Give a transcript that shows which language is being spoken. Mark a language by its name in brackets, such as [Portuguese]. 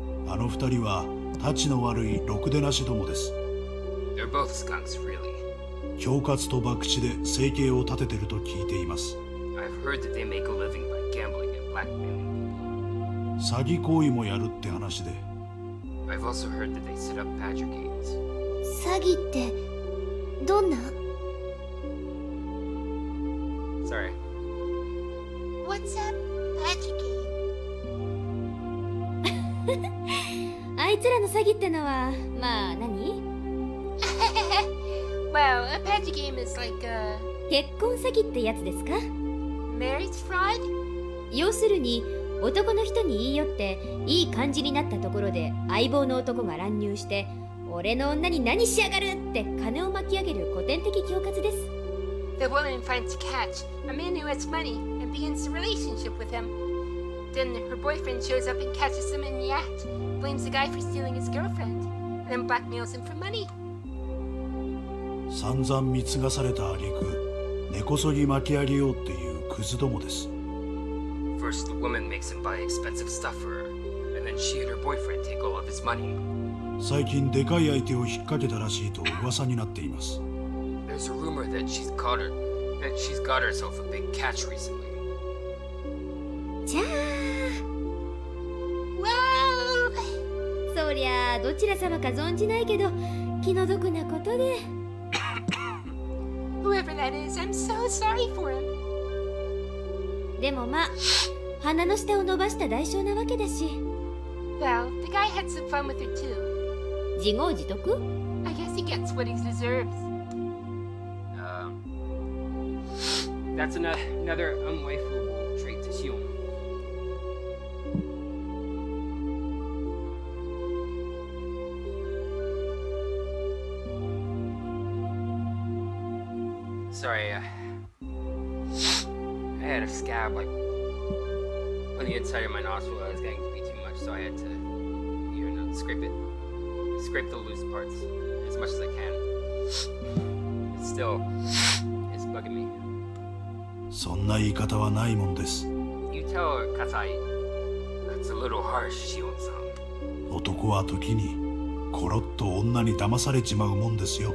[Japanese] あの二人は、たちの悪いろくでなしどもです。 [English] They're both skunks, really. [Japanese] 恐喝と博打で生計を立ててると聞いています。 [English] I've heard that they make a living by gambling and blackmailing people. [Japanese] 詐欺行為もやるって話で。 [English] I've also heard that they set up badger games. [Japanese] 詐欺って、どんな? [English] What's a badger game? [Japanese] あいつらの詐欺ってのは、まあ、何? [English] Well, a badger game is like a... [Japanese] 結婚詐欺ってやつですか? [English] Marriage fraud? [Japanese] 要するに、男の人に言い寄っていい感じになったところで相棒の男が乱入して俺の女に何しやがるって金を巻き上げる古典的恐喝です。 [English] The woman finds a catch, a man who has money, and begins a relationship with him. Then her boyfriend shows up and catches him in the act, blames the guy for stealing his girlfriend, and then blackmails him for money. [Japanese] 散々貢がされた挙句、根こそぎ巻き上げようっていうクズどもです。 [English] First, the woman makes him buy expensive stuff for her, and then she and her boyfriend take all of his money. [Japanese] 最近でかい相手を引っ掛けたらしいと噂になっています。 [English] There's a rumor that she's got herself a big catch recently. Cha! Wow! So, yeah, [Japanese] どちら様か存じないけど、気の毒なことで。 [English] Whoever that is, I'm so sorry for him. [Japanese] でもまあ、鼻の下を伸ばした代償なわけだし。 [English] Well, the guy had some fun with her too. [Japanese] 自業自得? [English] I guess he gets what he deserves. That's another unwaifu trait to Shion. Sorry, I had a scab like on the inside of my nostril. I was getting to be too much, so I had to, you know, scrape the loose parts as much as I can. It's still, it's bugging me. [Japanese] そんな言い方はないもんです。 [English] You tell her, Kasai. That's a little harsh, Shion-san. [Japanese] 男は時に、コロッと女に騙されちまうもんですよ。